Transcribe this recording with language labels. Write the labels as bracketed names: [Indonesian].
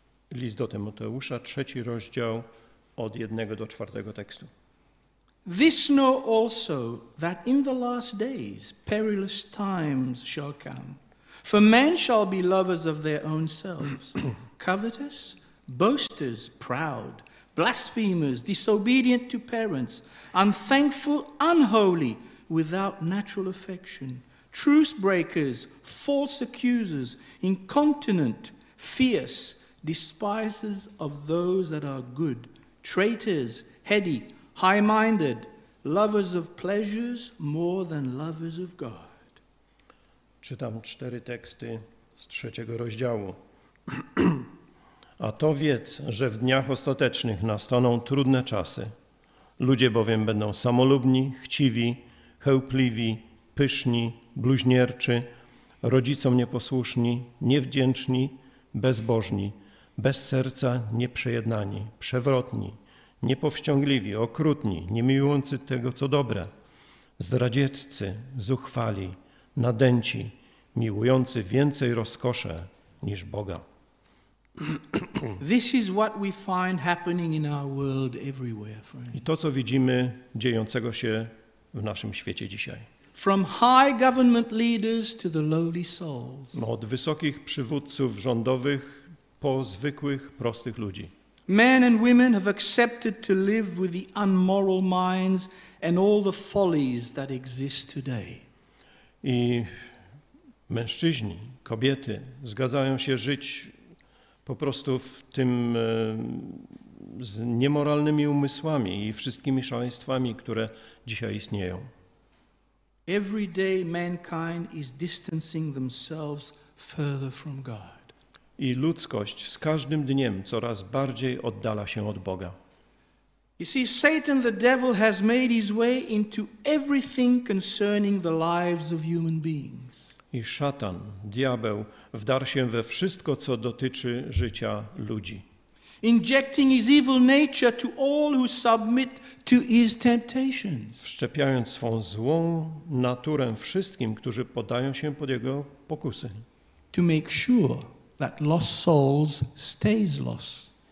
[Polish] List do Tymoteusza, trzeci rozdział od 1 do 4 tekstu. [English] This know also that in the last days perilous times shall come. For men shall be lovers of their own selves, covetous, boasters, proud, blasphemers, disobedient to parents, unthankful, unholy, without natural affection, truce breakers, false accusers, incontinent, fierce, despisers of those that are good, traitors, heady, high-minded, lovers of pleasures more than lovers of God. [Polish] Czytam cztery teksty z trzeciego rozdziału. A to wiedz, że w dniach ostatecznych nastaną trudne czasy. Ludzie bowiem będą samolubni, chciwi, chełpliwi, pyszni, bluźnierczy, rodzicom nieposłuszni, niewdzięczni, bezbożni, bez serca nieprzejednani, przewrotni, niepowściągliwi, okrutni, niemiłujący tego, co dobre, zdradzieccy, zuchwali, nadęci, miłujący więcej rozkosze niż Boga. [English] This is what we find happening in our world everywhere, friends. [Polish] I to, co widzimy dziejącego się w naszym świecie dzisiaj. [English] From high government leaders to the lowly souls. [Polish] Od wysokich przywódców rządowych po zwykłych, prostych ludzi. [English] Men and women have accepted to live with the unmoral minds and all the follies that exist today. [Polish] I mężczyźni, kobiety zgadzają się żyć po prostu w tym z niemoralnymi umysłami i wszystkimi szaleństwami, które dzisiaj istnieją. [English] Every day mankind is distancing themselves further from God. [Polish] I ludzkość z każdym dniem coraz bardziej oddala się od Boga. [English] You see, Satan the devil has made his way into everything concerning the lives of human beings. [Polish] I szatan, diabeł, wdarł się we wszystko, co dotyczy życia ludzi. [English] Injecting his evil nature to all who submit to his temptations. [Polish] Wszczepiając swą złą naturę wszystkim, którzy podają się pod jego pokusy. [English] To make sure that lost souls stays lost.